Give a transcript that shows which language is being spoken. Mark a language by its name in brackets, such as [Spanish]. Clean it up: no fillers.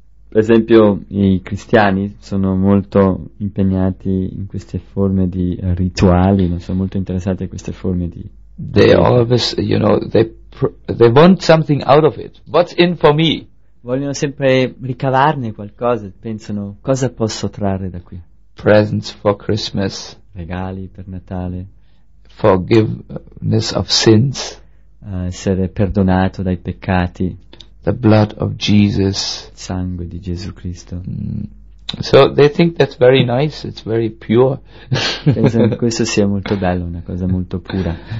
[Italian] Per esempio, i cristiani sono molto impegnati in queste forme di rituali, non sono molto interessati a queste forme di. [English] They always, you know, they want something out of it. What's in for me? [Italian] Vogliono sempre ricavarne qualcosa, pensano cosa posso trarre da qui. [English] Presents for Christmas. [Italian] Regali per Natale. [English] Forgiveness of sins. [Italian] Essere perdonato dai peccati. [English] The blood of Jesus. [Italian] Il sangue di Gesù Cristo. [English] So they think that's very nice, it's very pure. [Italian] Pensano che questo sia molto bello, una cosa molto pura.